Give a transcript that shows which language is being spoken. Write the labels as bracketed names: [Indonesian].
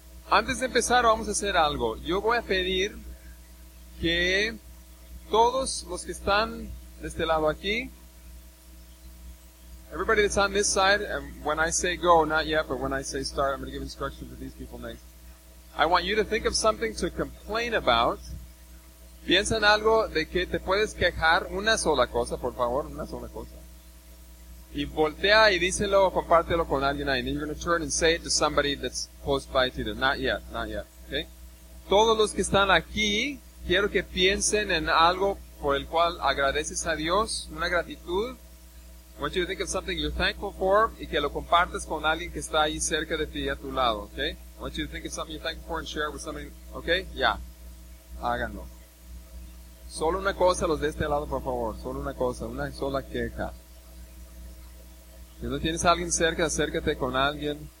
[Spanish] Antes de empezar, vamos a hacer algo. Yo voy a pedir que todos los que están de este lado aquí, [English] everybody that's on this side, and when I say go, not yet, but when I say start, I'm going to give instructions to these people next. I want you to think of something to complain about. [Spanish] Piensa en algo de que te puedes quejar, una sola cosa, por favor, una sola cosa. Y voltea y díselo, compártelo con alguien ahí. [English] And you're going to turn and say it to somebody that's close by to you. Not yet. Okay? [Spanish] Todos los que están aquí, quiero que piensen en algo por el cual agradeces a Dios, una gratitud. [English] I want you to think of something you're thankful for [Spanish] y que lo compartas con alguien que está ahí cerca de ti, a tu lado. Okay? [English] I want you to think of something you're thankful for and share it with somebody. [Spanish] Okay? Yeah. Háganlo. Solo una cosa, los de este lado, por favor. Solo una cosa, una sola queja. Si no tienes a alguien cerca, acércate con alguien.